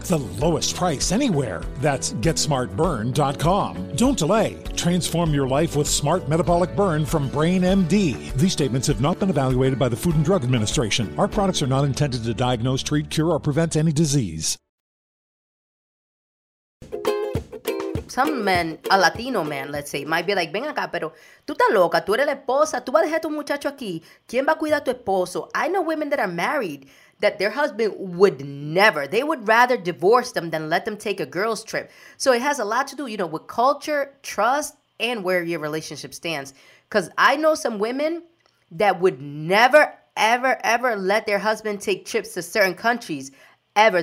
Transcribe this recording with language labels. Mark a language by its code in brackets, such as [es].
[en] The lowest price anywhere. That's GetSmartBurn.com. Don't delay. Transform your life with Smart Metabolic Burn from BrainMD. These statements have not been evaluated by the Food and Drug Administration. Our products are not intended to diagnose, treat, cure, or prevent any disease. Some men, a Latino man, let's say, might be like, [es] ven acá, pero tú estás loca, tú eres la esposa, tú vas a dejar a tu muchacho aquí, ¿quién va a cuidar a tu esposo? [en] I know women that are married that their husband would never, they would rather divorce them than let them take a girl's trip. So it has a lot to do, you know, with culture, trust, and where your relationship stands. Because I know some women that would never, ever, ever let their husband take trips to certain countries, ever.